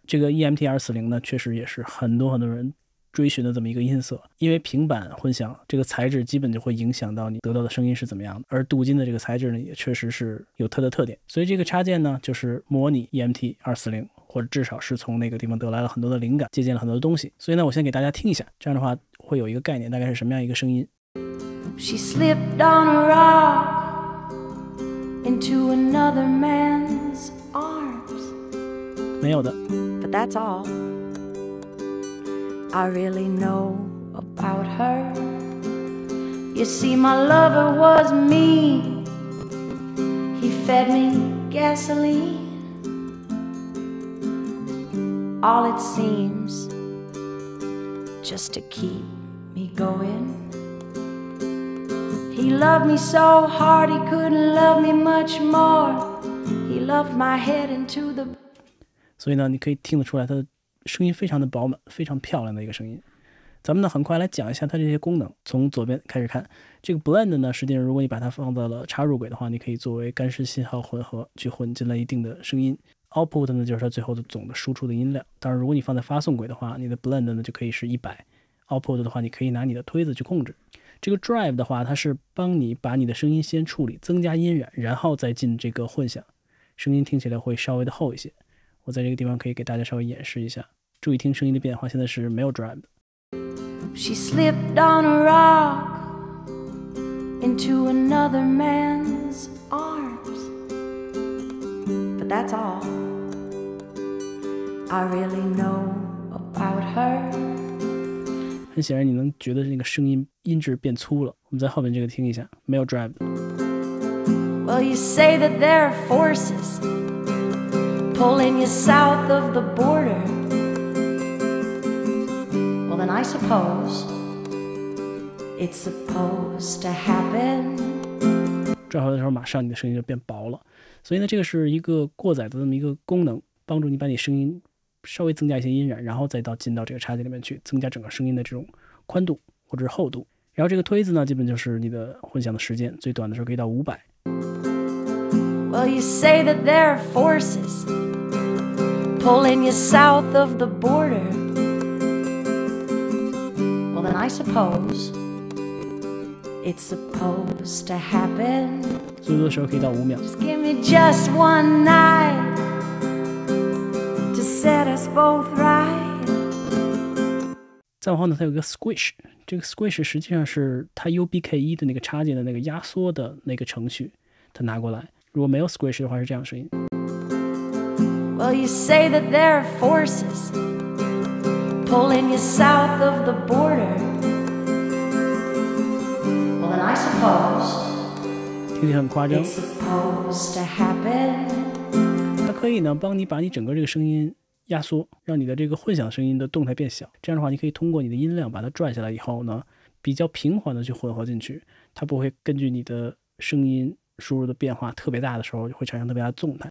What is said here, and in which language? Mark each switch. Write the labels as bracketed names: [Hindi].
[Chinese] 这个 EMT 240呢确实也是很多很多人追寻的这么一个音色，因为平板混响这个材质基本就会影响到你得到的声音是怎么样的，而镀金的这个材质呢也确实是有它的特点，所以这个插件呢就是模拟 EMT 240，或者至少是从那个地方得来了很多的灵感，借鉴了很多的东西。所以呢我先给大家听一下，这样的话会有一个概念大概是什么样一个声音。 [English] She slipped on a rock into another man's arms。 [Chinese] 没有的。 [English] But that's allI really know about her. You see, my lover was me. He fed me gasoline. All it seems, just to keep me going. He loved me so hard, he couldn't love me much more. He loved my head into the. [Chinese] 所以呢，你可以听得出来他的声音非常的饱满，非常漂亮的一个声音。咱们呢很快来讲一下它这些功能。从左边开始看，这个 blend 呢，实际上如果你把它放到了插入轨的话，你可以作为干湿信号混合去混进了一定的声音。 output 呢就是它最后的总的输出的音量，当然如果你放在发送轨的话，你的 blend 呢就可以是100， output 的话你可以拿你的推子去控制。这个 drive 的话，它是帮你把你的声音先处理，增加音染，然后再进这个混响，声音听起来会稍微的厚一些。我在这个地方可以给大家稍微演示一下，注意听声音的变化，现在是没有 drive 的。 [English] She slipped on a rock into another man's arms. But that's all I really know about her. [Chinese] 很显然你能觉得那个声音音质变粗了，我们在后面这个听一下，没有 drive 的。 [English] Well you say that there are forcespulling you south of the border. Well then I suppose it's supposed to happen. [Chinese] 转回来的时候马上你的声音就变薄了，所以呢这个是一个过载的这么一个功能，帮助你把你声音稍微增加一些音染，然后再到进到这个插件里面去增加整个声音的这种宽度或者是厚度。然后这个推子呢基本就是你的混响的时间，最短的时候可以到500。 [English] Well you say that there are forcespulling you south of the border. Well then I suppose it's supposed to happen. [Chinese] 所以的时候可以到5秒。 [English] Just give me just one night to set us both right. [Chinese] 再往后呢它有个 squish， 这个 squish 实际上是它 UBK1 的那个插件的那个压缩的那个程序，它拿过来，如果没有 squish 的话是这样的声音。 [English] Well, you say that there are forces pulling you south of the border. Well, then I suppose [Chinese] 听起来很夸张。 [English] It's supposed to happen. [Chinese] 它可以呢帮你把你整个这个声音压缩，让你的这个混响声音的动态变小，这样的话你可以通过你的音量把它转下来以后呢比较平缓的去混合进去，它不会根据你的声音输入的变化特别大的时候会产生特别大的动态。